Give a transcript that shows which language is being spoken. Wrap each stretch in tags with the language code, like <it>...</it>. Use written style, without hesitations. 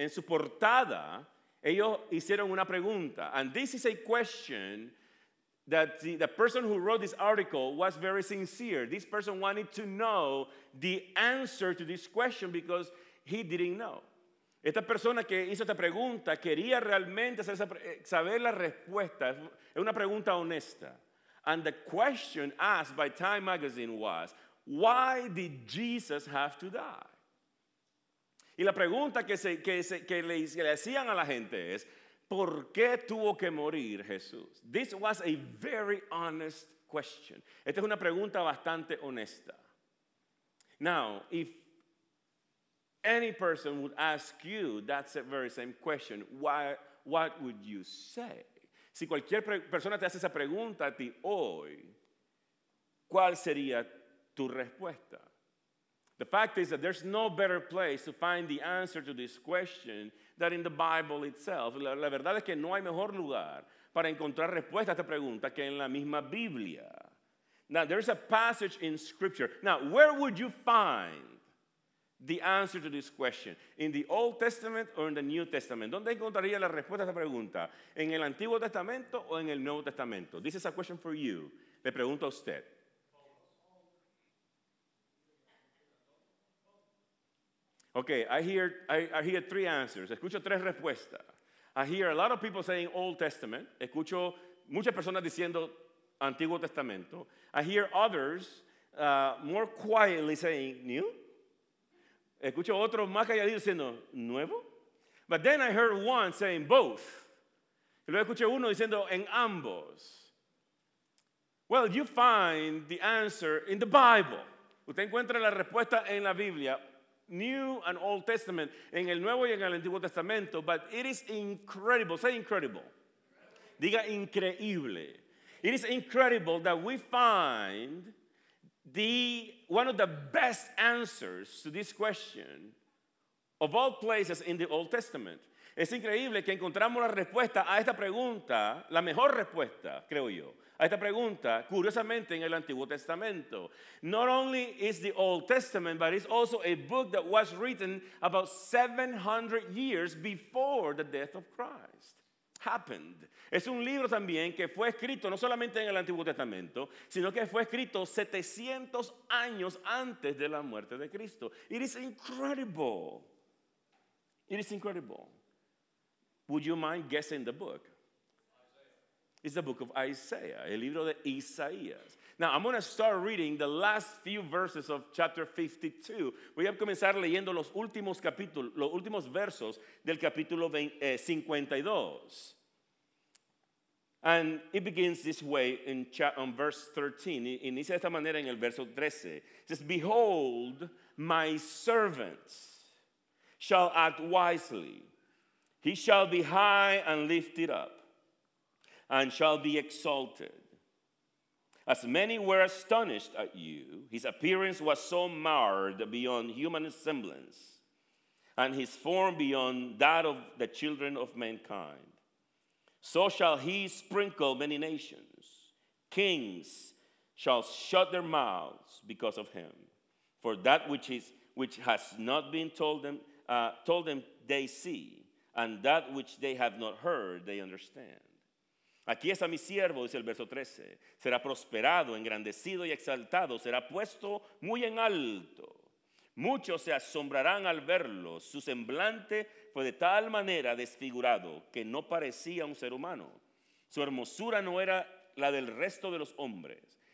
<es>En su portada, ellos hicieron una pregunta.</es> <en>And this is a question that the person who wrote this article was very sincere. This person wanted to know the answer to this question because he didn't know.</en> <es>Esta persona que hizo esta pregunta quería realmente saber la respuesta. Es una pregunta honesta.</es> <en>And the question asked by Time magazine was, why did Jesus have to die?</en> <es>Y la pregunta que le hacían a la gente es, ¿por qué tuvo que morir Jesús?</es> <en>This was a very honest question.</en> <es>Esta es una pregunta bastante honesta.</es> <en>Now, if any person would ask you that's a very same question, why, what would you say?</en> <es>Si cualquier persona te hace esa pregunta a ti hoy, ¿cuál sería tu respuesta?</es> <en>The fact is that there's no better place to find the answer to this question than in the Bible itself.</en> <es>La verdad es que no hay mejor lugar para encontrar respuesta a esta pregunta que en la misma Biblia.</es> <en>Now, there's a passage in Scripture. Now, where would you find the answer to this question? In the Old Testament or in the New Testament?</en> <es>¿Dónde encontraría la respuesta a esta pregunta? ¿En el Antiguo Testamento o en el Nuevo Testamento?</es> <en>This is a question for you.</en> <es>Le pregunto a usted.</es> <en>Okay, I hear three answers.</en> <es>Escucho tres respuestas.</es> <en>I hear a lot of people saying Old Testament.</en> <es>Escucho muchas personas diciendo Antiguo Testamento.</es> <en>I hear others more quietly saying New.</en> <es>Escucho otro más calladito diciendo, ¿nuevo?</es> <en>But then I heard one saying, both.</en> <es>Y luego escuché uno diciendo, en ambos.</es> <en>Well, you find the answer in the Bible.</en> <es>Usted encuentra la respuesta en la Biblia,</es> <en>New and Old Testament,</en> <es>en el Nuevo y en el Antiguo Testamento,</es> <en>but it is incredible. Say incredible.</en> <es>Diga increíble.</es> <en>It is incredible that we find one of the best answers to this question of all places in the Old Testament.</en> <es>Es increíble que encontramos la respuesta a esta pregunta, la mejor respuesta, creo yo, a esta pregunta, curiosamente, en el Antiguo Testamento.</es> <en>Not only is the Old Testament, but it's also a book that was written about 700 years before the death of Christ happened.</en> <es>Es un libro también que fue escrito no solamente en el Antiguo Testamento, sino que fue escrito 700 años antes de la muerte de Cristo.</es> <en>It is incredible. It is incredible. Would you mind guessing the book? It's the book of Isaiah,</en> <es>el libro de Isaías.</es> <en>Now, I'm going to start reading the last few verses of chapter 52.</en> <es>Voy a comenzar leyendo los últimos capítulos, los últimos versos del capítulo 52.</es> <en>And it begins this way in verse 13.</en> <es>Inicia de esta manera en el verso 13.</es> <en>It says, "Behold, my servant shall act wisely. He shall be high and lifted up, and shall be exalted. As many were astonished at you, his appearance was so marred beyond human semblance, and his form beyond that of the children of mankind. So shall he sprinkle many nations. Kings shall shut their mouths because of him. For that which has not been told them, they see, and that which they have not heard, they understand.</en> <es>Aquí está mi siervo, dice el verso 13, será prosperado, engrandecido y exaltado, será puesto muy en alto. Muchos se asombrarán al verlo, su semblante fue de tal manera desfigurado que no parecía un ser humano. Su hermosura no era la del resto de los hombres.</es>